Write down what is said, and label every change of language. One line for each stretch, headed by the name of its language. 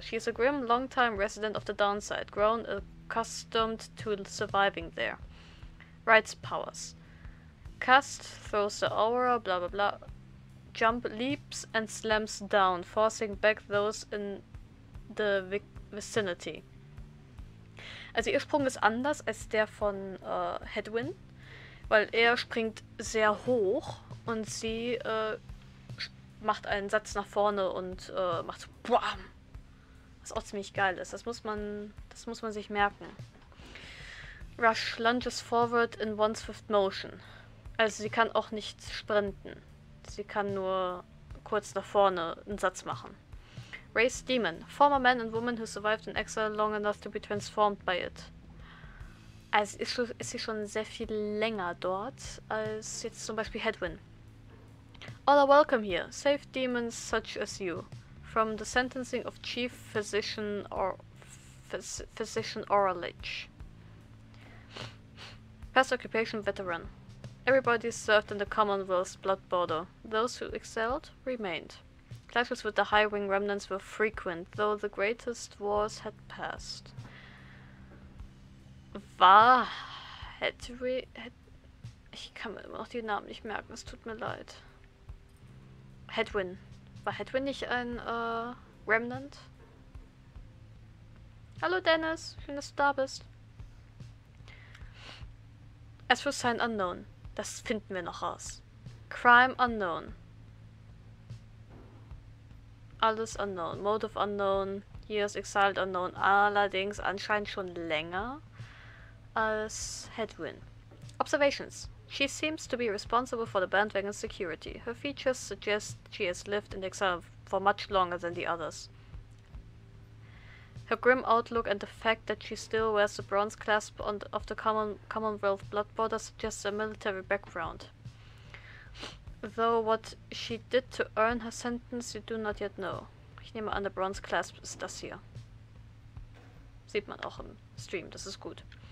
English: She is a grim, long-time resident of the Downside, grown accustomed to surviving there. Rites Powers. Cast throws the aura, bla bla bla. Jump leaps and slams down, forcing back those in the vicinity.
German: Also ihr Sprung ist anders als der von Hedwin, weil er springt sehr hoch und sie macht einen Satz nach vorne und macht so BAM! Was auch ziemlich geil ist. Das muss man sich merken.
English: Rush lunges forward in one swift motion.
German: Also sie kann auch nicht sprinten. Sie kann nur kurz nach vorne einen Satz machen.
English: Race Demon. Former man and woman who survived in exile long enough to be transformed by it.
German: Also ist sie schon sehr viel länger dort als jetzt zum Beispiel Hedwin.
English: All are welcome here. Save demons such as you. From the sentencing of Chief Physician or Physician Oralich. Past occupation veteran. Everybody served in the Commonwealth's blood border. Those who excelled remained. Clashes with the High Wing remnants were frequent, though the greatest wars had passed.
German: War Hedwin? Ich kann mir immer noch die Namen nicht merken, es tut mir leid. Hedwin. War Hedwin nicht ein Remnant? Hallo Dennis, schön, dass du da bist.
English: As for Sign Unknown.
German: Das finden wir noch raus.
English: Crime Unknown. Alles unknown. Motive unknown. Years exiled unknown.
German: Allerdings anscheinend schon länger als Hedwin. Observations.
English: She seems to be responsible for the bandwagon's security. Her features suggest she has lived in exile for much longer than the others. Her grim outlook and the fact that she still wears the bronze clasp on of the Commonwealth blood border suggests a military background. Though what she did to earn her sentence, you do not yet know.
German: Ich nehme an, der bronze clasp ist das hier. Sieht man auch im Stream, das ist gut.